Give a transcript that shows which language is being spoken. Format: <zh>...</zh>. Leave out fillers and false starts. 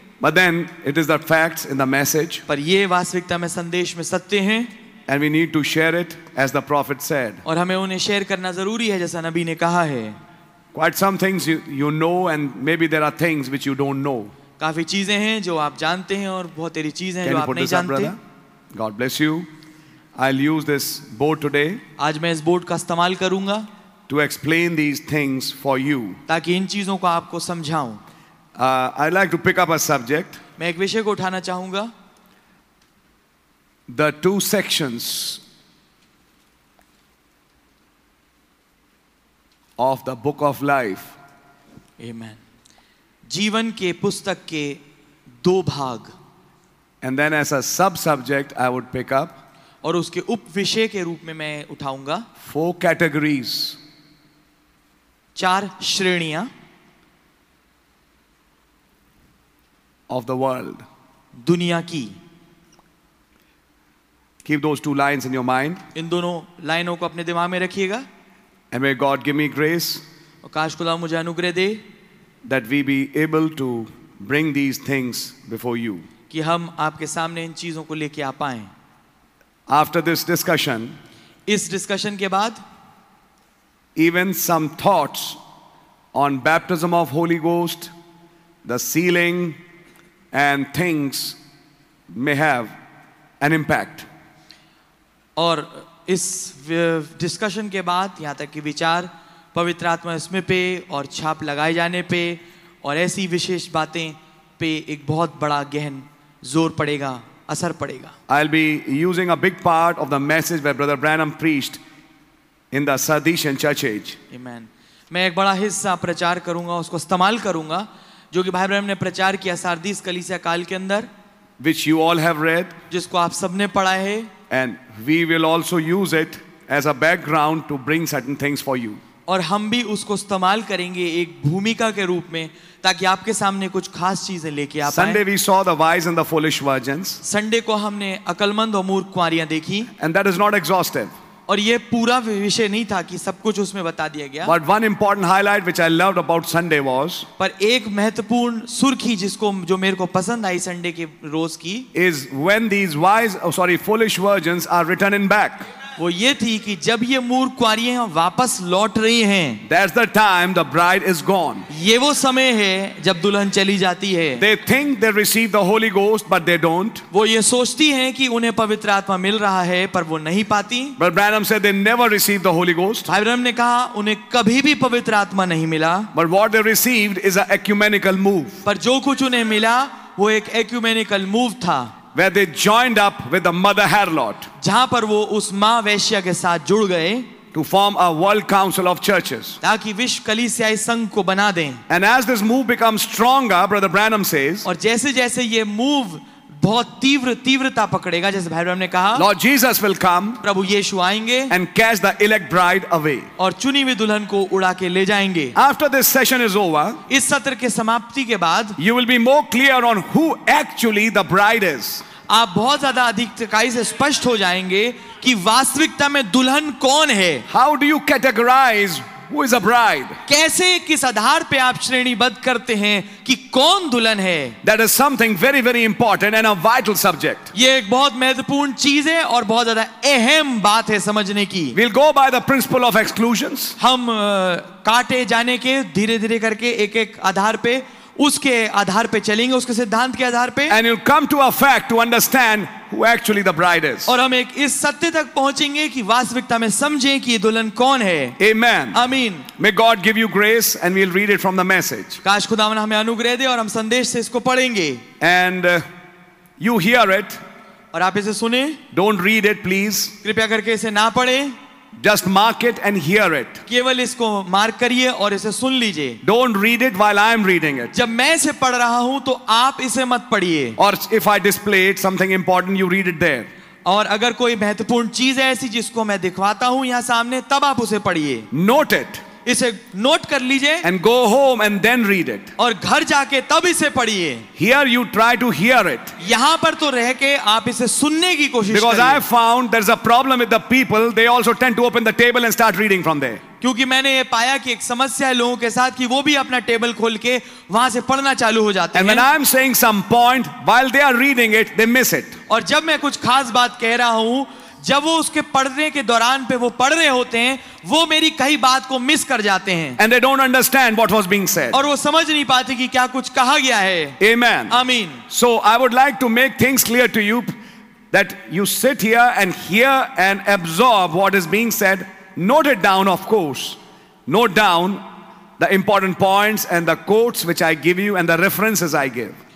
<en>But then it is the facts in the message.</en> <hi>पर ये वास्तविकता में संदेश में सत्य हैं.</hi> <en>And we need to share it as the prophet said.</en> <hi>और हमें उन्हें शेयर करना जरूरी है जैसा नबी ने कहा है.</hi> <en>Quite some things you know, and maybe there are things which you don't know.</en> <hi>काफी चीजें हैं जो आप जानते हैं और बहुत सारी चीजें हैं जो आप नहीं जानते.</hi> <en>God bless you. I'll use this boat today.</en> <hi>आज मैं इस बोट का इस्तेमाल करूंगा.</hi> <en>To explain these things for you.</en> <hi>ताकि इन चीजों को आपको समझाऊं.</hi> <en>I'd like to pick up a subject.</en> <hi>मैं एक विषय को उठाना चाहूंगा.</hi> <en>The two sections of the book of life.</en> <hi>Amen. जीवन के पुस्तक के दो भाग.</hi> <en>And then as a sub-subject, I would pick up.</en> <hi>और उसके उप विषय के रूप में मैं उठाऊंगा.</hi> <en>Four categories.</en> <hi>चार श्रेणियां.</hi> <en>Of the world.</en> <hi>दुनिया की.</hi> <en>Keep those two lines in your mind.</en> <hi>इन दोनों लाइनों को अपने दिमाग में रखिएगा.</hi> <en>And may God give me grace.</en> <hi>और काश खुदा मुझे अनुग्रह दे.</hi> <en>That we be able to bring these things before you.</en> <hi>कि हम आपके सामने इन चीजों को लेके आ पाएं.</hi> <en>After this discussion.</en> <hi>इस discussion के बाद.</hi> <en>Even some thoughts on baptism of Holy Ghost, the sealing, and things may have an impact.</en> <hi>और इस discussion के बाद यहाँ तक कि विचार पवित्र आत्मा इसमें पे और छाप लगाए जाने पे और ऐसी विशेष बातें पे एक बहुत बड़ा गहन जोर पड़ेगा, असर पड़ेगा.</hi> <en>I'll be using a big part of the message where Brother Branham preached in the Sardisian church age. Amen.</en> <hi>मैं एक बड़ा हिस्सा प्रचार करूंगा, उसको इस्तेमाल करूंगा, जो कि भाई ब्रैनम ने प्रचार किया सार्दिस कलीसिया काल के अंदर.</hi> <en>Which you all have read.</en> <hi>जिसको आप सबने पढ़ा है.</hi> <en>And we will also use it as a background to bring certain things for you.</en> <hi>और हम भी उसको इस्तेमाल करेंगे एक भूमिका के रूप में ताकि आपके सामने कुछ खास चीजें लेके आ पाए.</hi> <en>Sunday we saw the wise and the foolish virgins.</en> <hi>Sunday को हमने अकलमंद और मूर्ख कुंवारियां देखी.</hi> <en>And that is not exhaustive.</en> <hi>और ये पूरा विषय नहीं था कि सब कुछ उसमें बता दिया गया.</hi> <en>But one important highlight which I loved about Sunday was.</en> <hi>पर एक महत्वपूर्ण सुर्खी जिसको जो मेरे को पसंद आई संडे के रोज की.</hi> <en>Is when these wise, oh sorry, foolish virgins are returning back.</en> <hi>वो ये थी कि जब ये मूर कुआरियां वापस लौट रही हैं.</hi> <en>That's the time the bride is gone.</en> <hi>ये वो समय है जब दुल्हन चली जाती है.</hi> <en>They think they receive the Holy Ghost, but they don't.</en> <hi>वो ये सोचती हैं कि उन्हें पवित्र आत्मा मिल रहा है पर वो नहीं पाती.</hi> <en>But Branham said they never receive the Holy Ghost.</en> <hi>भाई ब्रैनम ने कहा उन्हें कभी भी पवित्र आत्मा नहीं मिला.</hi> <en>But what they received is an ecumenical move.</en> <hi>पर जो कुछ उन्हें मिला वो एक ecumenical move था.</hi> <en>Where they joined up with the mother harlot.</en> <hi>जहाँ पर वो उस माँ वैश्या के साथ जुड़ गए.</hi> <en>To form a world council of churches.</en> <hi>ताकि विश्व कलीसियाई संघ को बना दें.</hi> <en>And as this move becomes stronger, Brother Branham says.</en> <hi>और जैसे-जैसे ये move बहुत तीव्रता पकड़ेगा, जैसे भाई ब्रैनम ने कहा.</hi> <en>Lord Jesus will come.</en> <hi>प्रभु यीशु आएंगे.</hi> <en>And catch the elect bride away.</en> <hi>और चुनी हुई दुल्हन को उड़ा के ले जाएंगे.</hi> <en>After this session is over.</en> <hi>इस सत्र के समाप्ति के बाद.</hi> <en>You will be more clear on who actually the bride is.</en> <hi>आप बहुत ज्यादा अधिक तकाई से स्पष्ट हो जाएंगे कि वास्तविकता में दुल्हन कौन है.</hi> <en>How do you categorize who is a bride?</en> <hi>कैसे किस आधार पे आप श्रेणीबद्ध करते हैं कि कौन दुल्हन है?</hi> <en>That is something very very important and a vital subject.</en> <hi>ये एक बहुत महत्वपूर्ण चीज है और बहुत ज्यादा अहम बात है समझने की.</hi> <en>We'll go by the principle of exclusions.</en> <hi>हम काटे जाने के धीरे धीरे करके एक एक आधार पे उसके आधार पे चलेंगे, उसके सिद्धांत के आधार पे.</hi> <en>And you'll come to a fact to understand who actually the bride is.</en> <hi>और हम एक इस सत्य तक पहुंचेंगे कि वास्तविकता में समझें कि ये दुल्हन कौन है.</hi> <en>Amen. Amen. May God give you grace and we'll read it from the message.</en> <hi>काश खुदावन हमें अनुग्रह दे और हम संदेश से इसको पढ़ेंगे.</hi> <en>And you hear it.</en> <hi>और आप इसे सुने.</hi> <en>Don't read it, please.</en> <hi>कृपया करके इसे ना पढ़ें.</hi> <en>Just mark it and hear it.</en> <hi>केवल इसको मार्क करिए और इसे सुन लीजिए.</hi> <en>Don't read it while I am reading it.</en> <hi>जब मैं इसे पढ़ रहा हूं तो आप इसे मत पढ़िए.</hi> <en>Or if I display it something important, you read it there.</en> <hi>और अगर कोई महत्वपूर्ण चीज ऐसी जिसको मैं दिखवाता हूं यहां सामने, तब आप उसे पढ़िए.</hi> <en>Note it.</en> <hi>इसे नोट कर लीजिए.</hi> <en>And go home and then read it.</en> <hi>और घर जाके तब इसे पढ़िए.</hi> <en>Here you try to hear it.</en> <hi>यहाँ पर तो रह के आप इसे सुनने की कोशिश.</hi> <en>Because I found there's a problem with the people. They also tend to open the table and start reading from there.</en> <hi>क्योंकि मैंने ये पाया कि एक समस्या है लोगों के साथ कि वो भी अपना टेबल खोल के वहां से पढ़ना चालू हो जाते हैं.</hi> <en>And when I am saying some point while they are reading it, they miss it.</en> <hi>और जब मैं कुछ खास बात कह रहा हूँ जब वो उसके पढ़ने के दौरान पे वो पढ़ रहे होते हैं वो मेरी कई बात को मिस कर जाते हैं</hi> <en>and they don't understand what was being said</en> <hi>और वो समझ नहीं पाते कि क्या कुछ कहा गया है</hi> <en>amen amen so I would like to make things clear to you that you sit here and hear and absorb what is being said note it down of course note down the important points and the quotes which I give you and the references I give</en>